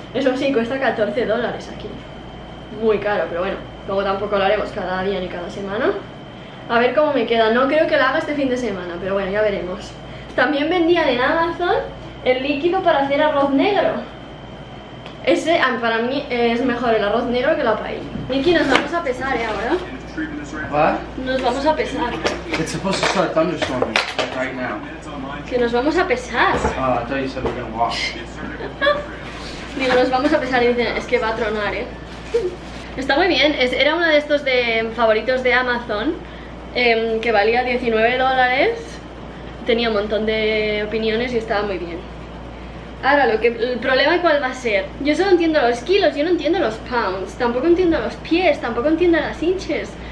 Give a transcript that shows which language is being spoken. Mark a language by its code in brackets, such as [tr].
[es] Eso sí, cuesta $14 aquí. Muy caro, pero bueno, luego tampoco lo haremos cada día ni cada semana. A ver cómo me queda. No creo que la haga este fin de semana, pero bueno, ya veremos. También vendían en Amazon el líquido para hacer arroz negro. Ese, para mí, es mejor el arroz negro que la paella. Nicky, nos vamos a pesar, ¿eh? Ahora. ¿Qué? Nos vamos a pesar. [en] It's supposed to start thunderstorming right now. [es] Que nos vamos a pesar. [en] I thought you said we're gonna walk. [es] Digo, nos vamos a pesar y dicen, es que va a tronar, ¿eh? Está muy bien. Era uno de estos de favoritos de Amazon. Que valía $19, tenía un montón de opiniones y estaba muy bien. Ahora, el problema cuál va a ser. Yo solo entiendo los kilos, yo no entiendo los pounds, tampoco entiendo los pies, tampoco entiendo las inches.